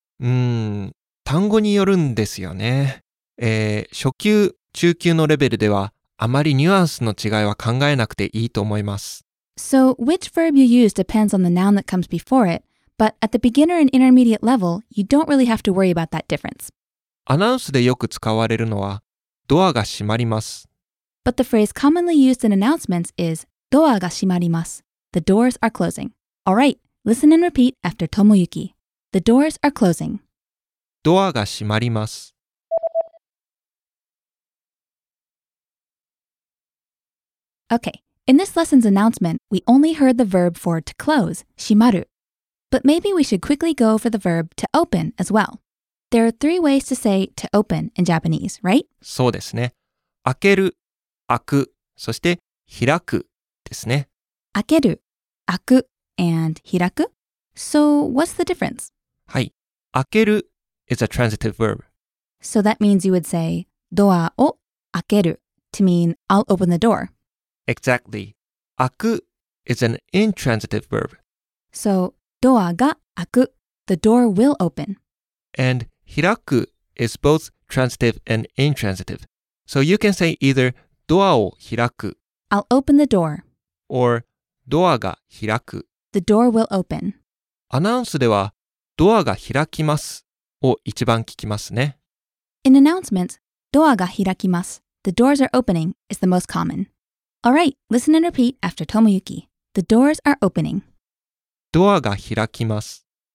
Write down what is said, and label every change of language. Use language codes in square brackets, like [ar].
[ja] 単語によるんですよね。初級、中級のレベルではあまりニュアンスの違いは考えなくていいと思います。 [en] So, which verb you use depends on the noun that comes before it, but at the beginner and intermediate level, you don't really have to worry about that difference. [ja] アナウンスでよく使われるのは、ドアが閉まります。 [en] But the phrase commonly used in announcements is, [ja] ドアが閉まります。 [en] The doors are closing. Alright, listen and repeat after Tomoyuki. The doors are closing. [ja] ドアが閉まります。 [en] Okay. In this lesson's announcement, we only heard the verb for to close, 閉まる. But maybe we should quickly go over the verb to open as well. There are three ways to say to open in Japanese, right? [ja] そうですね。開ける、開く、そして開くですね。 [en] 開ける、開く、and 開く?So what's the difference? はい。開ける is a transitive verb. So that means you would say [ja] ドアを開ける [en] to mean I'll open the door. Exactly. 開く is an intransitive verb. So, [ja] ドアが開く, [en] the door will open. And 開く is both transitive and intransitive. So you can say either [ja] ドアを開く, [en] I'll open the door. Or [ja] ドアが開く, [en] the door will open. [ja] アナウンスではドアが開きますを一番聞きますね。 [en] In announcements, [ja] ドアが開きます, [en] the doors are opening is the most common. Alright, listen and repeat after Tomoyuki. The doors are opening. [ja] ドアが開きます。